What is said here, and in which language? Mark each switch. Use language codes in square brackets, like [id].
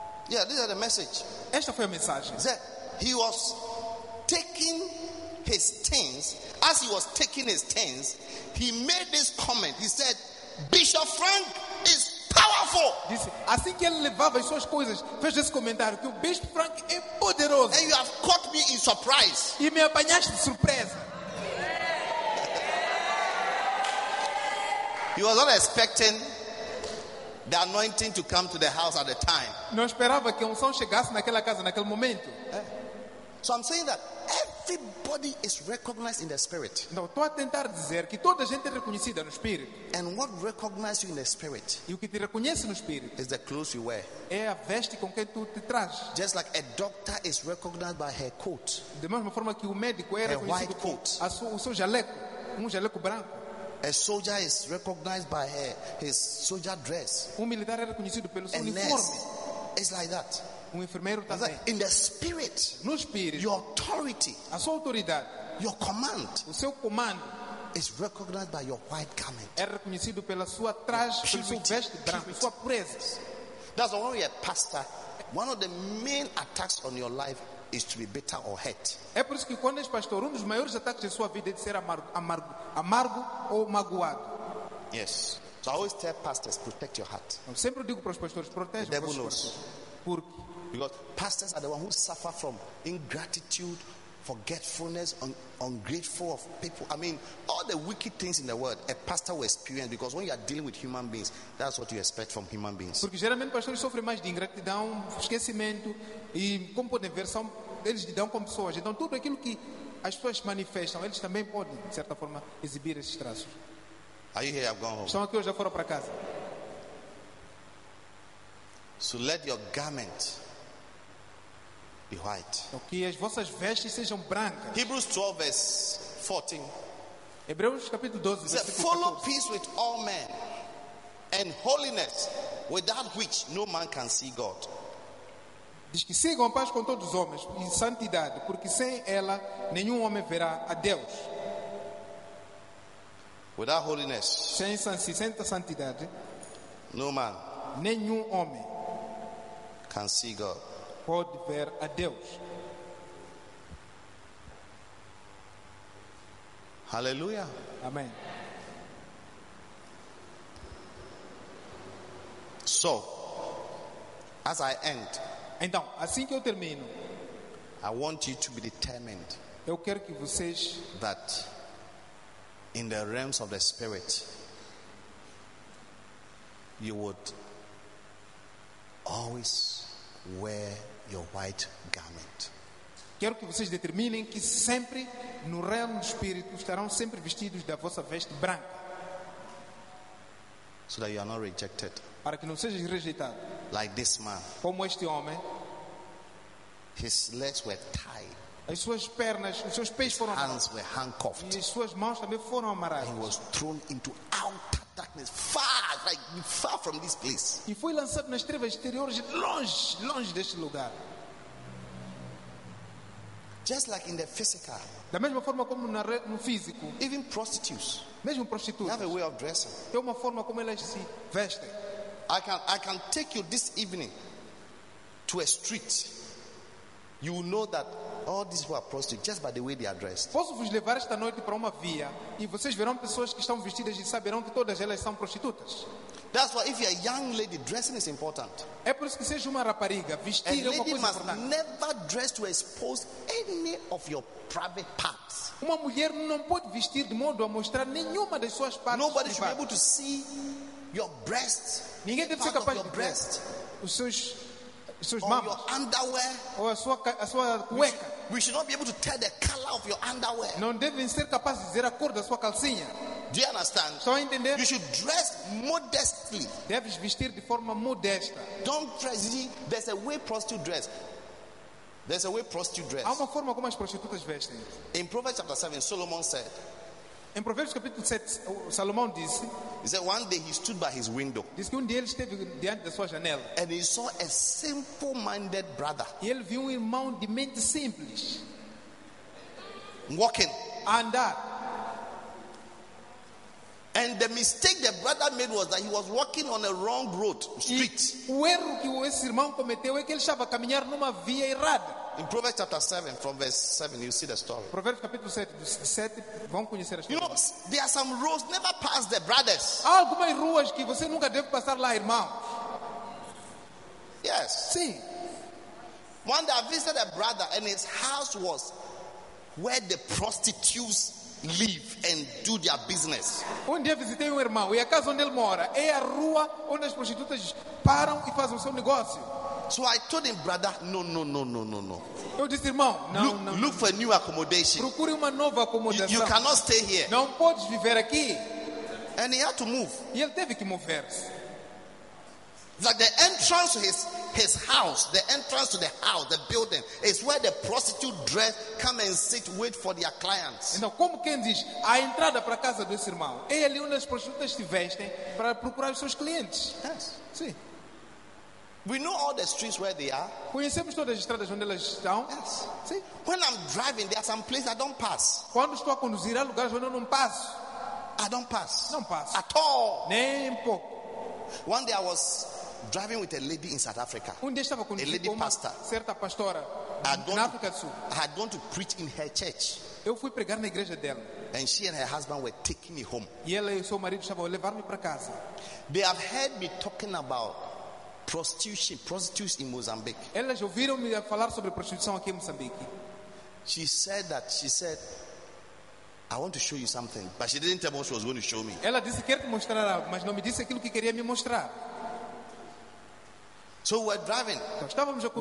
[en] Yeah, this is the message. [pt] Esta foi a mensagem. [en] He was taking his things. As he was taking his things, he made this comment. He said, Bishop Frank is powerful. [pt] Disse, assim que ele levava as suas coisas, fez esse comentário que o Bishop Frank é poderoso. [en] And you have caught me in surprise. [pt] E me apanhaste de surpresa. [en] He was not expecting the anointing to come to the house at the time. [pt] Não esperava que unção chegasse naquela casa naquele momento. [en] So I'm saying that everybody is recognized in the spirit. [pt] Não, estou a tentar dizer que toda a gente é reconhecida no espírito. [en] And what recognizes you in the spirit? [pt] E o que te reconhece no espírito? [en] Is the clothes you wear. [pt] É a veste com que tu te trajes. [en] Just like a doctor is recognized by her coat. [pt] Da mesma forma que o médico é reconhecido [en] white [pt] por [en] coat. [pt] O seu jaleco, um jaleco branco. [en] A soldier is recognized by his soldier dress. [pt] Um militar é reconhecido pelo seu uniforme. [en] It's like that. [pt] Um enfermeiro também. [en] Like in the spirit, [pt] no espírito, [en] your authority, [pt] a sua autoridade, [en] your command, [pt] o seu comando, [en] is recognized by your white garment. [pt] É reconhecido pela sua traje, pelo seu veste branco, pela sua pureza. [en] That's why you're a pastor. One of the main attacks on your life is to be bitter or hurt. [pt] É por isso que quando és pastor, um dos maiores ataques de sua vida é de ser amargo ou magoado. [en] Yes. So I always tell pastors, protect your heart. [pt] Eu sempre digo para os pastores, protege o seu coração. Porque [en] pastors are the ones who suffer from ingratitude, forgetfulness, ungrateful of people. I mean, all the wicked things in the world a pastor will experience, because when you are dealing with human beings, that's what you expect from human beings. [pt] Porque geralmente pastores sofrem mais de ingratidão, esquecimento, e como podem ver, são eles lidam com pessoas. Então tudo aquilo que as pessoas manifestam, eles também podem, de certa forma, exibir esses traços. [en] Are you here? I've gone home. [pt] Estão aqui ou já foram para casa? [en] So let your garment be white. [pt] Que as vossas vestes sejam brancas. [en] Hebrews 12 verse 14. [pt] Hebreus capítulo 12 verse 14. [en] Follow peace with all men and holiness, without which no man can see God. [pt] Diz que sigam paz com todos os homens e santidade, porque sem ela nenhum homem verá a Deus. [en] Without holiness, [pt] sem santidade, [en] no man, [pt] nenhum homem [en] can see God. [pt] Pode ver a Deus. [en] Hallelujah. [pt] Amen. [en] So, as I end, [pt] então, assim que eu termino, [en] I want you to be determined. [pt] Eu quero que vocês, [en] that in the realms of the spirit, you would always wear your white garment. [pt] Quero que vocês determinem que sempre no reino do espírito estarão sempre vestidos da vossa veste branca. [en] So that you are not rejected. [pt] Para que não sejam rejeitados. [en] Like this man. [pt] Como este homem. [en] His legs were tied. [pt] As suas pernas, os seus pés [en] his [pt] foram [en] hands were handcuffed. [pt] E as suas mãos também foram amarradas. [en] He was thrown into outer darkness, far, like far from this place. [pt] E foi lançado nas trevas exteriores, longe deste lugar. [en] Just like in the physical. [pt] Da mesma forma como no físico. [en] Even prostitutes. [pt] Mesmo prostitutas. [en] Have a way of dressing. [pt] Tem uma forma como elas se vestem. [en] I can take you this evening to a street. You will know that all these people are prostitutes just by the way they are dressed. [pt] Posso vos levar esta noite para uma via e vocês verão pessoas que estão vestidas e saberão que todas elas são prostitutas. [en] That's why if you're a young lady, dressing is important. [pt] É por isso que seja uma rapariga, vestir é uma coisa importante. [en] A lady must never dress to expose any of your private parts. [pt] Uma mulher não pode vestir de modo a mostrar nenhuma das suas partes. [en] Nobody should be able to see your breasts. [pt] Ninguém deve ser capaz de ver os seus [en] underwear, [pt] ou a sua cueca. [en] We should not be able to tell the color of your underwear. [pt] Não devem ser capazes de dizer a cor da sua calcinha. [en] Do you understand? [pt] Só entender. [en] You should dress modestly. [pt] Deves vestir de forma modesta. [en] Don't dress. There's a way prostitute dress. There's a way prostitute dress. [pt] Há uma forma como as prostitutas vestem. [en] In Proverbs chapter 7, Solomon said. [pt] Em Provérbios capítulo 7, Salomão disse. [en] He said one day he stood by his window. [pt] Diz que um dia ele esteve diante da sua janela. [en] And he saw a simple-minded brother. [pt] E ele viu um irmão de mente simples. [en] Walking. [pt] Andar. [en] And the mistake the brother made was that he was walking on a wrong road, street. [pt] O erro que esse irmão cometeu é que ele estava a caminhar numa via errada. [en] In Proverbs chapter 7, from verse 7, you see the story. [pt] Proverbs capítulo 7, vão conhecer a história. [en] You know, there are some roads, never pass the brothers. [pt] Há algumas ruas que você nunca deve passar lá, irmão. [en] Yes. [pt] Sim. [en] One day I visited a brother and his house was where the prostitutes live and do their business. [pt] Um dia visitei um irmão e a casa onde ele mora é a rua onde as prostitutas param e fazem o seu negócio. [en] So I told him, brother, no. [pt] Eu disse, irmão, não. [en] Look for a new accommodation. [pt] Procure uma nova acomodação. [en] You cannot stay here. [pt] Não podes viver aqui. [en] And he had to move. [pt] E ele teve que mover-se. [en] Like the entrance to his house, the entrance to the house, the building, is where the prostitute dress come and sit, wait for their clients. [pt] Então, como quem diz, a entrada para a casa desse irmão é ali onde as prostitutas se vestem para procurar os seus clientes. [en] Yes. [pt] Sim. [en] We know all the streets where they are. [pt] Conhecemos todas as estradas onde elas estão. [en] Yes. [pt] Sim. [en] When I'm driving, there are some places I don't pass. [pt] Quando estou a conduzir, há lugares onde eu não passo. [en] I don't pass. [pt] Não passo. [en] At all. [pt] Nem pouco. [en] One day I was driving with a lady in South Africa. [pt] Um dia estava conduzindo [en] a lady [pt] com uma pastor. Certa pastora na África do Sul. [en] I had gone to preach in her church. [pt] Eu fui pregar na igreja dela. [en] And she and her husband were taking me home. [pt] E ela e seu marido estavam a levar-me para casa. [en] They have heard me talking about prostitution, prostitutes in Mozambique. [pt] Elas ouviram-me falar sobre prostituição aqui em Moçambique. [en] She said that, she said, I want to show you something, but she didn't tell me what she was going to show me. [pt] Ela disse que queria mostrar, mas não me disse aquilo que queria me mostrar. [en] So we're driving. [pt] Então, estávamos a conduzir.